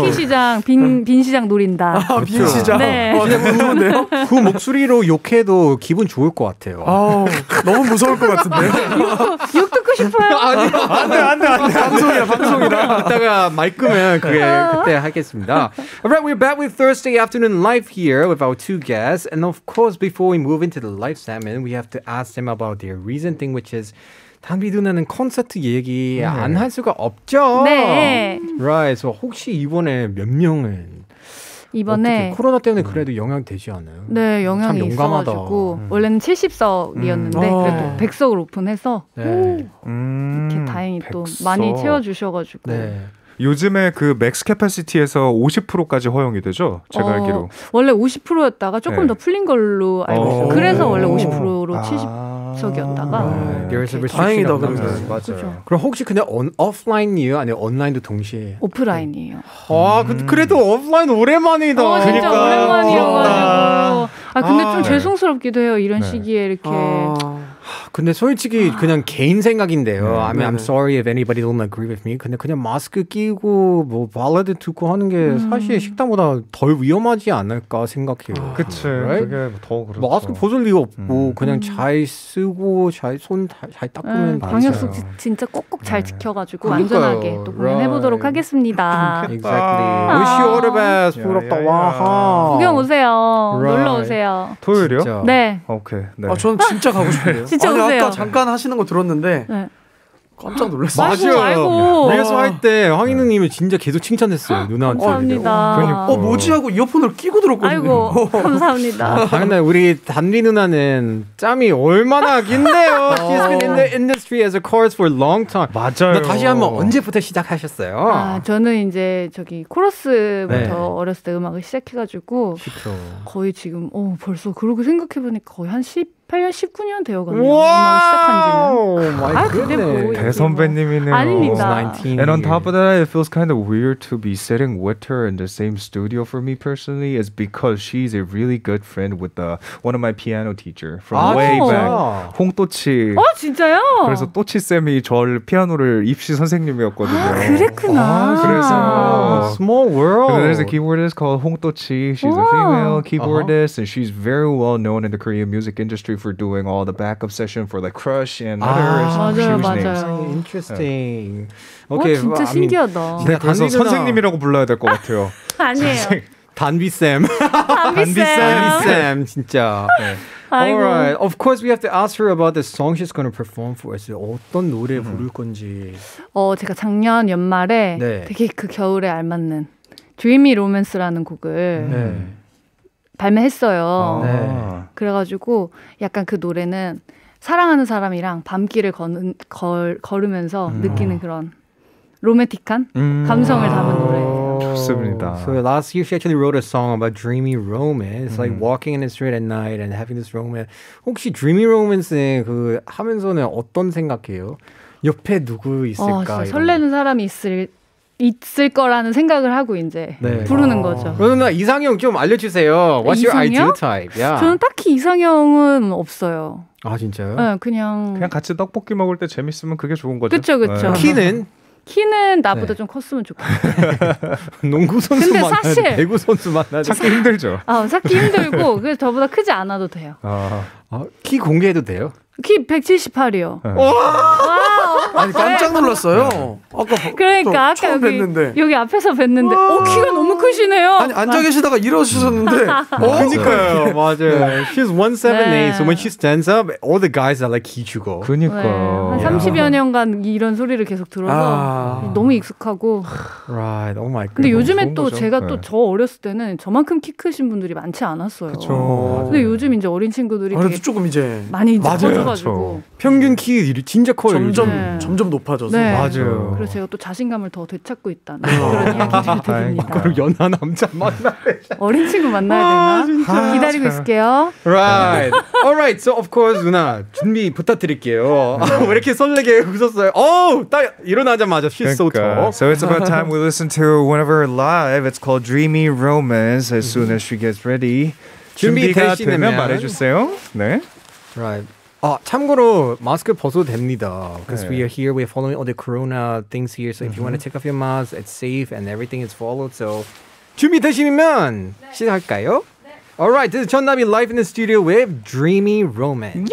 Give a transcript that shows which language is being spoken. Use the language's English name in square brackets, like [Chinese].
[Korean] 스키 시장, 빈 시장 노린다. 아, 그렇죠. 빈 시장. 네. 아, 네. 무서운데요? 그 목소리로 욕해도 기분 좋을 것 같아요. 아, 너무 무서울 것 같은데요? 욕 듣고 싶어요? 아니, 안 돼, 안 돼, 안 돼. 방송이야, 방송이다. 이따가 마이 끄면 그게 그때 하겠습니다. [English] Alright, we're back with Thursday afternoon live here with our two guests. And of course, before we move into the live segment, we have to ask them about their recent thing, which is [Korean] 단비 누나는 콘서트 얘기 안 할 수가 없죠. 네. [English] Right. [Korean] So 혹시 이번에 몇 명은 이번에 어떻게, 코로나 때문에 그래도 영향 되지 않아요? 네, 영향이 있어가지고 원래는 70석이었는데 그래도 100석을 오픈해서 네. 이렇게 다행히 100석. 또 많이 채워주셔가지고. 네. 요즘에 그 맥스 캐파시티에서 50%까지 허용이 되죠? 제가 알기로. 원래 50%였다가 조금 네. 더 풀린 걸로 알고 있어요. 그래서 원래 50%로 70석이었다가. 다행이다. 그렇죠. 맞아요. 그럼 혹시 그냥 오프라인이에요? 아니면 온라인도 동시에? 오프라인이에요. 아, 그래도 오프라인 오랜만이다. 그러니까. 진짜 오랜만이어가지고. 아, 근데 좀 죄송스럽기도 해요. 이런 네. 시기에 이렇게. 근데 솔직히 그냥 개인 생각인데요. [English] 네, I mean, 네. I'm sorry if anybody don't agree with me. [Korean] 근데 그냥 마스크 끼고 뭐 발라드 듣고 하는 게 사실 식당보다 덜 위험하지 않을까 생각해요. 그치. Right? 그게 더 그렇죠. 마스크 벗을 이유 없고 그냥 잘 쓰고 잘 손 잘 닦으면 네, 방역수칙 맞아요. 진짜 꼭꼭 잘 네. 지켜가지고 그러니까요. 안전하게 또 공연해보도록 right. 하겠습니다. [English] Exactly. Wish you all the best. [Korean] 부럽다. [English] 와하. [Korean] 구경 오세요. Right. 놀러 오세요. 토요일이요? 네. 오케이. 네. 아, 전 진짜 가고 싶네요. 진짜 아니, 아까 잠깐 하시는 거 들었는데 네. 깜짝 놀랐어요. 맞아요. 리허설 할 때 황인우 님이 진짜 계속 칭찬했어요. 누나한테. 감사합니다. 그러니까. 뭐지 하고 이어폰을 끼고 들었거든요. 아이고, 감사합니다. 당연히 우리 단비 누나는 짬이 얼마나 긴데요. [English] She's been in the industry as a chorus for a long time. [Korean] 맞아요. 나 다시 한번 언제부터 시작하셨어요? 아, 저는 이제 저기 코러스부터 네. 어렸을 때 음악을 시작해가지고 그쵸. 거의 지금 벌써 그러고 생각해보니까 거의 한 18년, 19년 되어가네요. 음악 시작한지는. 오 마이 굿네. 대선배님이네요. 아닙니다. [English] And on top of that, it feels kind of weird to be sitting with her in the same studio for me personally is because she's a really good friend with one of my piano teacher from way back. [Korean] 홍또치. 아, 진짜요? 그래서 또치쌤이 저를 피아노를 입시 선생님이었거든요. 아, 그랬구나. 그래서 [English] small world. There's a keyboardist called 홍또치. She's a female keyboardist and she's very well known in the Korean music industry. For doing all the backup session for the Crush and others, huge names. Interesting. [Korean] Yeah. Okay, 오, 진짜 신기하다. 그래서 선생님이라고 불러야 될 것 같아요. 아니에요. 단비 쌤. 단비 쌤. 단비 쌤. 진짜. [English] Yeah. All right. Of course, we have to ask her about the song she's going to perform for us. [Korean] 어떤 노래 부를 건지. 제가 작년 연말에 네. 되게 그 겨울에 알맞는 Dreamy Romance라는 곡을. 네. 발매했어요. 네. 그래가지고 약간 그 노래는 사랑하는 사람이랑 밤길을 걸으면서 느끼는 그런 로맨틱한 감성을 담은 노래예요. 좋습니다. [English] So last year she actually wrote a song about dreamy romance, like walking in the street at night and having this romance. [Korean] 혹시 dreamy romance 그 하면서는 어떤 생각해요? 옆에 누구 있을까? 설레는 사람이 있을 거라는 생각을 하고 이제 네. 부르는 거죠. 그러면 이상형 좀 알려주세요. [English] What's [Korean] 이상형? [English] your ideal type? Yeah. [Korean] 저는 딱히 이상형은 없어요. 아 진짜요? 네, 그냥 같이 떡볶이 먹을 때 재밌으면 그게 좋은 거죠. 그렇죠, 그렇죠. 네. 키는? 키는 나보다 네. 좀 컸으면 좋겠어요. 농구 선수 만나야 돼. 배구 선수 만나야 돼. 찾기 힘들죠. 찾기 힘들고 그래서 저보다 크지 않아도 돼요. 키 공개해도 돼요? 키 178이요. 아니 깜짝 놀랐어요. 네. 아까 그러니까 아까 처음 뵀는데 여기 앞에서 뵀는데 키가 너무 크시네요. 아니 앉아 계시다가 일어서셨는데. 그러니까요. 맞아요. 네. [English] She's 178. [Korean] 네. [English] So when she stands up, all the guys are like [Korean] 기죽어. 그러니까 네. 한 30여 년간 이런 소리를 계속 들어서 너무 익숙하고. [English] Right. Oh my god. [Korean] 근데 요즘에 또 거죠? 제가 네. 또 저 어렸을 때는 저만큼 키 크신 분들이 많지 않았어요. 그렇죠. 근데 요즘 이제 어린 친구들이 그래도 조금 이제 많이 이제 커져가지고 평균 키 진짜 커요. 점점 요즘. 네. 점점 높아져서 네. 맞아요. 그래서 제가 또 자신감을 더 되찾고 있다는 그런 이야기 들립니다. 그럼 연하 남자 만나야 돼. 어린 친구 만나야 되나? 진짜. 기다리고 있을게요. [English] Right, alright. So of course, [Korean] 누나 준비 부탁드릴게요. 왜 이렇게 설레게 웃었어요? 딱 일어나자마자 She's 그러니까. [English] So it's about time we listen to one of her live. It's called Dreamy Romance. As soon as she gets ready, [Korean] 준비 되시면 말해주세요. 네. [English] Right. [Korean] 아, 참고로 마스크 벗어도 됩니다. [English] Because we are here, we are following all the corona things here. So if you want to take off your mask, it's safe and everything is followed. [Korean] So 준비되시면 시작할까요? 네. [English] All right, this is 전남이 live in the studio with Dreamy Romance.